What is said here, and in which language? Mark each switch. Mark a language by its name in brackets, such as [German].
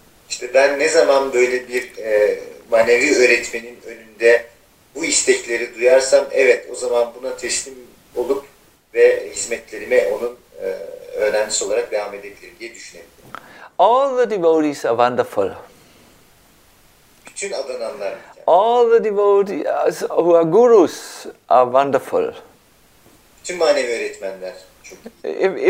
[Turkish] İşte ben ne zaman böyle bir manevi öğretmenin önünde bu istekleri duyarsam, evet, o zaman buna teslim olup ve hizmetlerime onun önemlisi olarak devam edebilirim diye düşünebilirim. [English] All the devotees are wonderful. [Turkish] Bütün adananlar. [English] All the devotees who are gurus are wonderful. [Turkish] Bütün manevi öğretmenler çok iyi.